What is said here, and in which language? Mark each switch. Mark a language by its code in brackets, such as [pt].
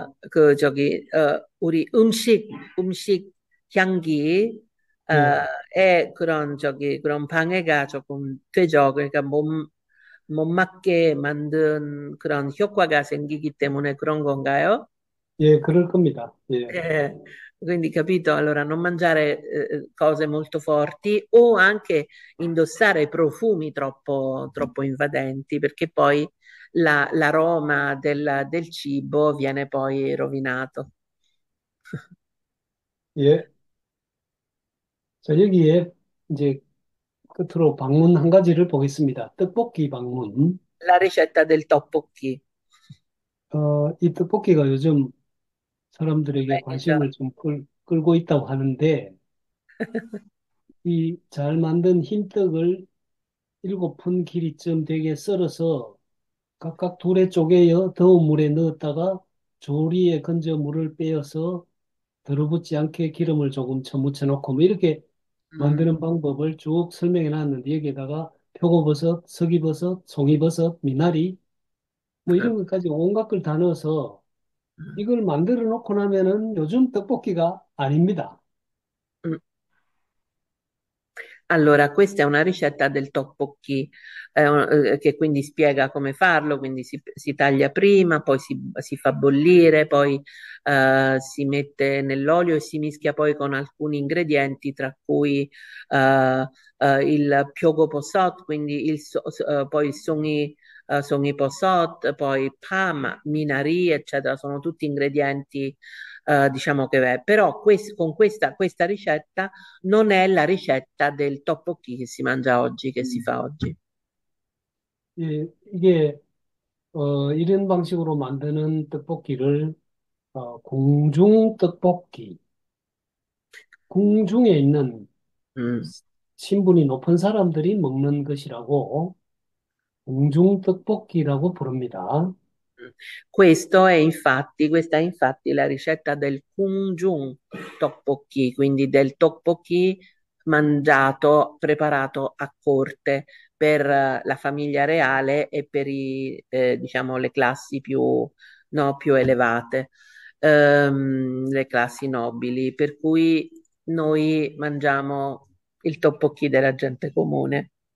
[ko] 그 저기 우리 음식 향기 예. 에 그런 저기 그런 방해가 조금 되죠. 그러니까 못 맞게 만든 그런 효과가 생기기 때문에 그런 건가요? 예, 그럴 겁니다. 예. [it] Quindi capito, allora non mangiare cose molto forti o anche indossare profumi troppo invadenti, perché poi l'aroma del cibo viene poi rovinato. [ko] 예. 자, 여기에 이제 끝으로 방문 한 가지를 보겠습니다. 떡볶이 방문. [it] La ricetta del tteokbokki. [ko] 이 떡볶이가 요즘 사람들에게 메뉴죠. 관심을 좀 끌고 있다고 하는데, 이잘 만든 흰 떡을 7분 길이쯤 되게 썰어서 각각 둘에 쪼개어 더운 물에 넣었다가 조리에 건져 물을 빼어서 더럽지 않게 기름을 조금 쳐묻혀 놓고, 뭐 이렇게 만드는 방법을 쭉 설명해 놨는데, 여기에다가 표고버섯, 석이버섯, 송이버섯, 미나리, 뭐 이런 것까지 온갖 걸다 넣어서 이걸 만들어 놓고 나면은 요즘 떡볶이가 아닙니다. [it] Allora, questa è una ricetta del tteokbokki, che quindi spiega come farlo, quindi si taglia prima, poi si fa bollire, poi si mette nell'olio e si mischia poi con alcuni ingredienti, tra cui il pyogo posot, quindi poi il songi posot, poi pam, minari, eccetera, sono tutti ingredienti. Diciamo che è, però con questa ricetta non è la ricetta del tteokbokki che si mangia oggi, che si fa oggi. [ko] 이런 방식으로 만드는 떡볶이를 궁중 떡볶이, 궁중에 있는 신분이 높은 사람들이 먹는 것이라고 궁중 떡볶이라고 부릅니다. [it] Questa è infatti la ricetta del Kungjung Tteokbokki, quindi del tteokbokki mangiato, preparato a corte per la famiglia reale e per diciamo, le classi più elevate, le classi nobili, per cui noi mangiamo il tteokbokki della gente comune.